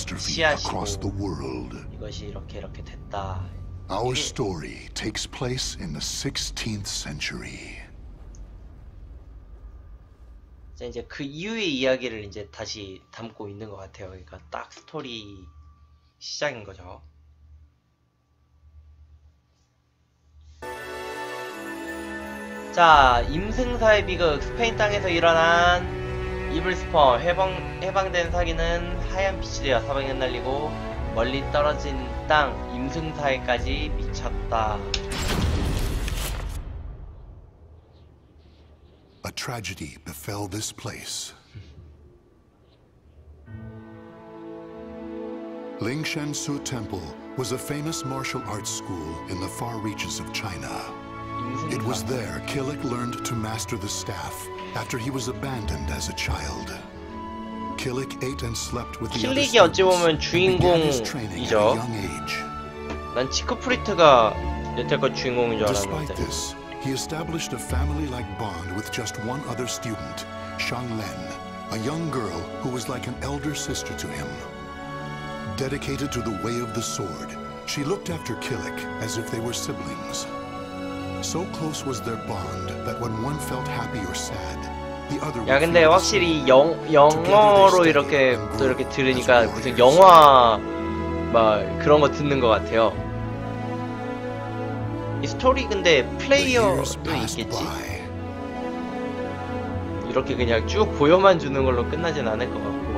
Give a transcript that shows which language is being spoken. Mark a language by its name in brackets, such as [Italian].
[Korean] 씨앗이고 이것이 이렇게 됐다. [English] Our story takes place in the 16th century. [Korean] 이제 그 이후의 이야기를 이제 다시 담고 있는 것 같아요. 그러니까 딱 스토리 시작인 거죠. 자, 임승사의 비극, 스페인 땅에서 일어난 이블스퍼, 해방된 사기는 하얀 빛이 되어 사방에 날리고 멀리 떨어진 땅, 임승사에까지 미쳤다. [English] A tragedy befell this place. Ling Shansu Temple was a famous martial arts school in the far reaches of China. It was there Killick learned to master the staff after he was abandoned as a child. Killick ate and slept with the other students. [Korean] Killick이 어찌 보면 주인공이죠. 난 치크프리트가 여태껏 주인공인 줄 알았는데. [English] Despite this, he established a family-like bond with just one other student, Shang Len, a young girl who was like an elder sister to him. Dedicated to the way of the sword, she looked after Killick as if they were siblings. So close was their bond that when one felt happy or sad, the other would. [Korean] 야, 근데 확실히 영어로 이렇게 또 이렇게 들으니까 무슨 영화 막 그런 거 듣는 거 같아요. 이 스토리 근데 플레이어도 있겠지. 이렇게 그냥 쭉 보여만 주는 걸로 끝나진 않을 것 같고.